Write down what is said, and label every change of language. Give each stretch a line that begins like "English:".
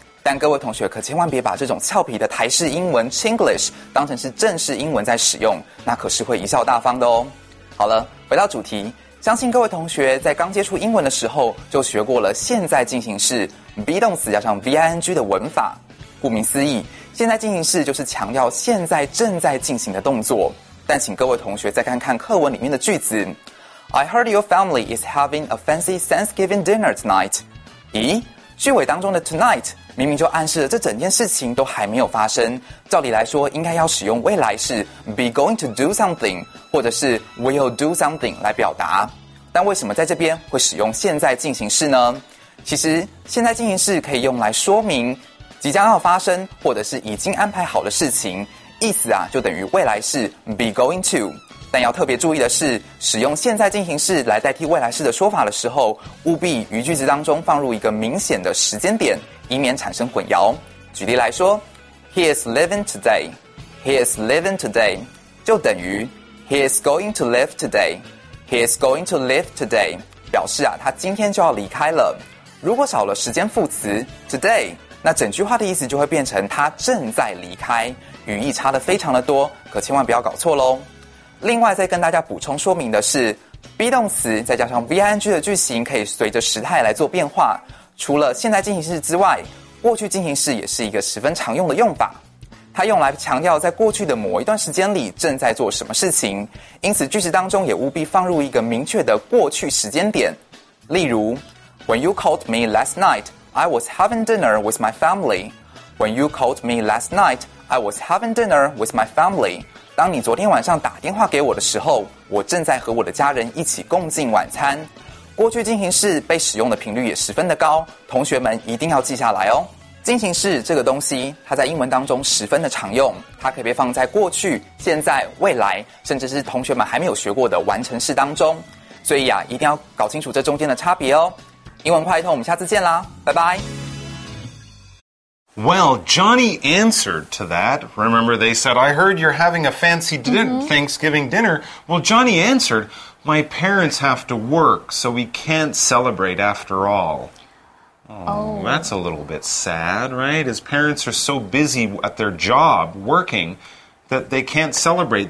Chinese: 但各位同学可千万别把这种俏皮的台式英文 Chinglish 当成是正式英文在使用，那可是会贻笑大方的哦。好了，回到主题，相信各位同学在刚接触英文的时候就学过了现在进行式 be 动词加上 VING 的文法。顾名思义，现在进行式就是强调现在正在进行的动作。但请各位同学再看看课文里面的句子，
English: I heard your family is having a fancy Thanksgiving dinner tonight.
Chinese: 咦，句尾当中的 tonight 明明就暗示了这整件事情都还没有发生，照理来说应该要使用未来式
English: be going to do something
Chinese: 或者是
English: will do something
Chinese: 来表达，但为什么在这边会使用现在进行式呢？其实现在进行式可以用来说明即将要发生或者是已经安排好的事情，意思啊就等于未来式 be going to。但要特别注意的是，使用现在进行式来代替未来式的说法的时候，务必于句子当中放入一个明显的时间点，以免产生混淆。举例来说
English: ，He is leaving today. He is leaving today
Chinese: 就等于
English: He is going to leave today. He is going to leave today
Chinese: 表示啊，他今天就要离开了。如果少了时间副词 today， 那整句话的意思就会变成他正在离开，语义差的非常的多，可千万不要搞错喽。另外再跟大家补充说明的是 be 动词再加上 ving 的句型可以随着时态来做变化，除了现在进行式之外，过去进行式也是一个十分常用的用法，它用来强调在过去的某一段时间里正在做什么事情，因此句子当中也务必放入一个明确的过去时间点。例如
English: When you called me last night, I was having dinner with my family. When you called me last night, I was having dinner with my family.
Chinese: 当你昨天晚上打电话给我的时候，我正在和我的家人一起共进晚餐。过去进行式被使用的频率也十分的高，同学们一定要记下来哦。进行式这个东西，它在英文当中十分的常用，它可以被放在过去、现在、未来，甚至是同学们还没有学过的完成式当中。所以啊，一定要搞清楚这中间的差别哦。英文快通，我们下次见啦，拜拜。
English: Well, Johnny answered to that. Remember, they said, I heard you're having a fancy Thanksgiving dinner. Well, Johnny answered, my parents have to work, so we can't celebrate after all. Oh, that's a little bit sad, right? His parents are so busy at their job, working, that they can't celebrate.